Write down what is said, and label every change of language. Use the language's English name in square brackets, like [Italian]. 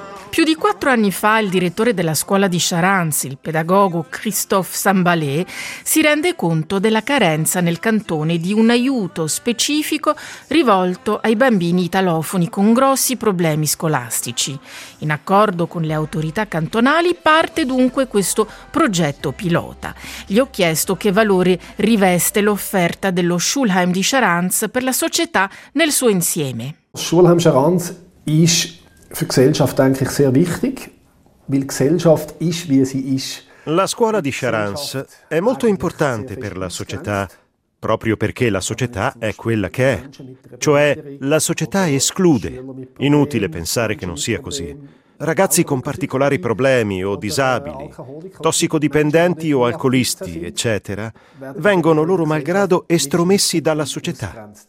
[Italian] Più di 4 anni fa il direttore della scuola di Charanz, il pedagogo Christophe Sambalé, si rende conto della carenza nel cantone di un aiuto specifico rivolto ai bambini italofoni con grossi problemi scolastici. In accordo con le autorità cantonali parte dunque questo progetto pilota. Gli ho chiesto che valore riveste l'offerta dello Schulheim di Charanz per la società nel suo insieme. [German] Schulheim Charanz ist für Gesellschaft eigentlich sehr wichtig, weil Gesellschaft ist, wie sie ist. [Italian] La scuola di Charanz è molto importante per la società, proprio perché la società è quella che è. Cioè, la società esclude. Inutile pensare che non sia così. Ragazzi con particolari problemi o disabili, tossicodipendenti o alcolisti, eccetera, vengono loro malgrado estromessi dalla società.